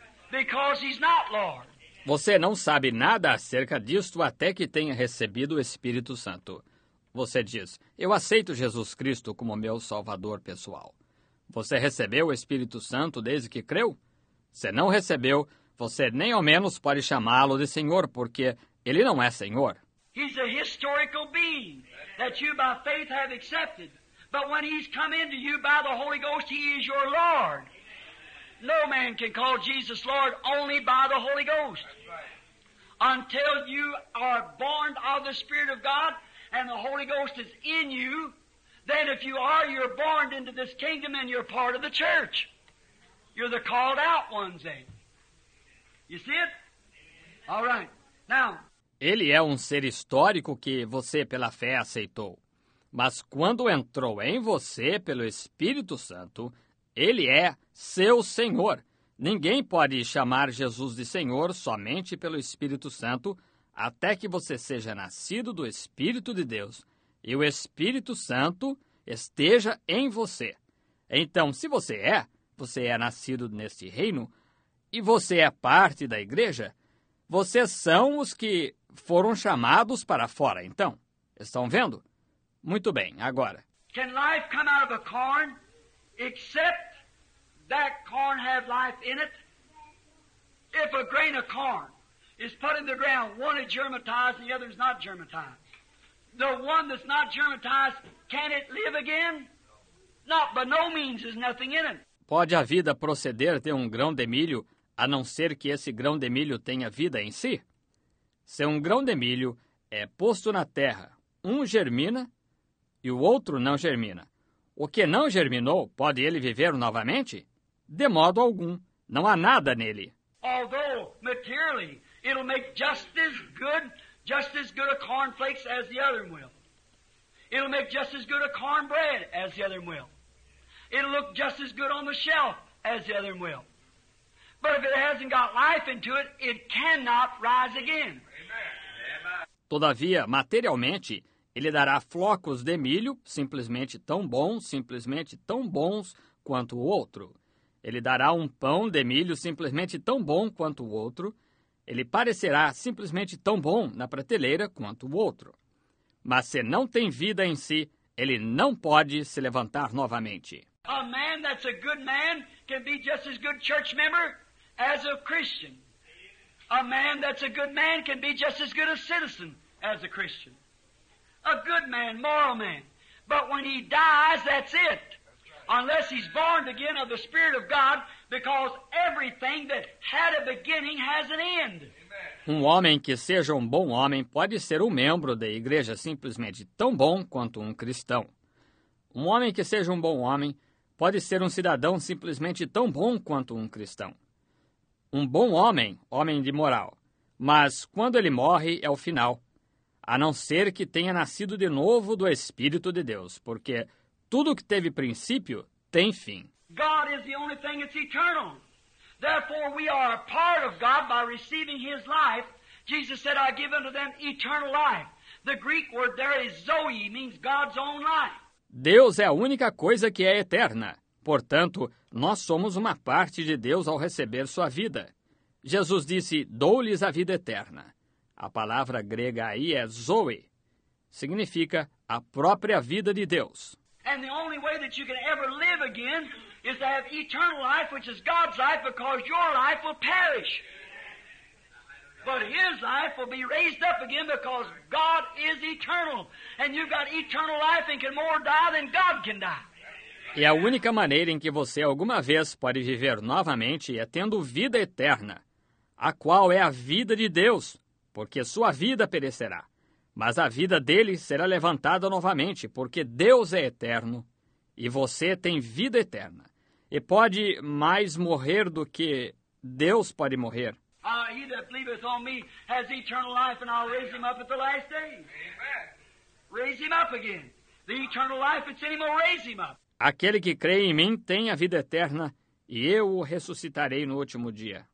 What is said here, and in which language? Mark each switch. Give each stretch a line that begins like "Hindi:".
English: Because he's not Lord.
Portuguese: Você não sabe nada acerca disto até que tenha recebido o Espírito Santo. Você diz, eu aceito Jesus Cristo como meu Salvador pessoal. Você recebeu o Espírito Santo desde que creu? Se não recebeu, você nem ao menos pode chamá-lo de Senhor, porque ele não é Senhor.
English: He's a historical being that you by faith have accepted. But when he's come into you by the Holy Ghost, he is your Lord. No man can call Jesus Lord only by the Holy Ghost. Until you are born of the Spirit of God, and the Holy Ghost is in you, then if you are, you're born into this kingdom and you're part of the church. You're the called out ones, then. You see it? All right. Now.
Portuguese: Ele é ser histórico que você pela fé aceitou. Mas quando entrou em você pelo Espírito Santo, ele é seu Senhor. Ninguém pode chamar Jesus de Senhor somente pelo Espírito Santo, até que você seja nascido do Espírito de Deus e o Espírito Santo esteja em você. Então, se você é, você é nascido neste reino e você é parte da igreja, vocês são os que foram chamados para fora, então. Estão vendo? Muito bem, agora.
English: Can life come out of a corn except that corn have life in it? If a grain of corn is put in the ground, one is germatized, the other is not germatized. The one that's not germatized, can it live again? Not by no means is nothing in it.
Portuguese: Pode a vida proceder de grão de milho, a não ser que esse grão de milho tenha vida em si? Se grão de milho é posto na terra, germina e o outro não germina. O que não germinou, pode ele viver novamente? De modo algum, não há nada nele.
English: Although, materially, it'll make just as good a cornflakes as the other one will. It'll make just as good a cornbread as the other one will. It'll look just as good on the shelf as the other one will. But if it hasn't got life into it, it cannot rise again. Amen.
Portuguese: Todavia, materialmente, Ele dará flocos de milho, simplesmente tão bons quanto o outro. Ele dará um pão de milho, simplesmente tão bom quanto o outro. Ele parecerá simplesmente tão bom na prateleira quanto o outro. Mas se não tem vida em si, ele não pode se levantar novamente.
English: A man that's a good man can be just as good church member as a Christian. A man that's a good man can be just as good a citizen as a Christian. A good man, moral man. But when he dies, that's it. Unless he's born again of the Spirit of God, because everything that had a beginning has an end.
Portuguese: Um homem que seja um bom homem pode ser um membro da igreja simplesmente tão bom quanto um cristão. Um homem que seja um bom homem pode ser um cidadão simplesmente tão bom quanto um cristão. Um bom homem, homem de moral. Mas quando ele morre, é o final. A não ser que tenha nascido de novo do Espírito de Deus, porque tudo que teve princípio tem fim.
English: God is the only thing that's eternal. Therefore, we are a part of God by receiving His life. Jesus said, I give unto them eternal life. The Greek word there is Zoe, means God's own life.
Portuguese: Deus é a única coisa que é eterna. Portanto, nós somos uma parte de Deus ao receber sua vida. Jesus disse, dou-lhes a vida eterna. A palavra grega aí é Zoe. Significa a própria vida de Deus.
English: And the only way that you can ever live again is to have eternal life, which is God's life, because your life will perish. But His life will be raised up again because God is eternal. And you've got eternal life and can more die than God can die.
Portuguese: E a única maneira em que você alguma vez pode viver novamente é tendo vida eterna, a qual é a vida de Deus, porque sua vida perecerá. Mas a vida dele será levantada novamente, porque Deus é eterno e você tem vida eterna. E pode mais morrer do que Deus pode morrer.
English: He that believeth on me has eternal life, and I'll raise him up at the last day. Raise him up again. The eternal life, it's in him, I'll raise him up.
Portuguese: Aquele que crê em mim tem a vida eterna, e eu o ressuscitarei no último dia.